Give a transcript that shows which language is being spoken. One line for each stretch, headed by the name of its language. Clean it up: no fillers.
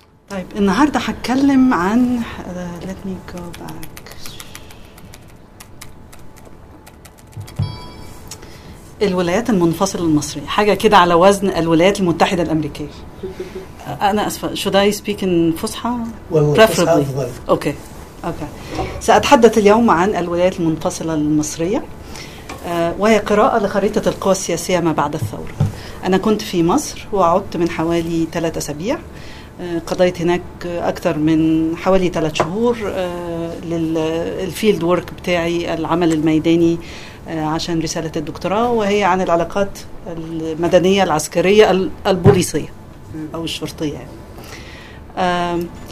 Arabic: طيب النهاردة هتكلم عن
English: let me go back
Arabic: الولايات المنفصلة المصرية, حاجة كده على وزن الولايات المتحدة الأمريكية. أنا أسفة,
English: should I speak in فصحى؟ preferably. okay okay.
Arabic: سأتحدث اليوم عن الولايات المنفصلة المصرية وهي قراءة لخريطة القوى السياسية ما بعد الثورة. أنا كنت في مصر وعدت من حوالي 3 أسابيع. قضيت هناك أكثر من حوالي 3 شهور للفيلد وورك بتاعي, العمل الميداني عشان رسالة الدكتوراه, وهي عن العلاقات المدنية العسكرية البوليسية أو الشرطية يعني.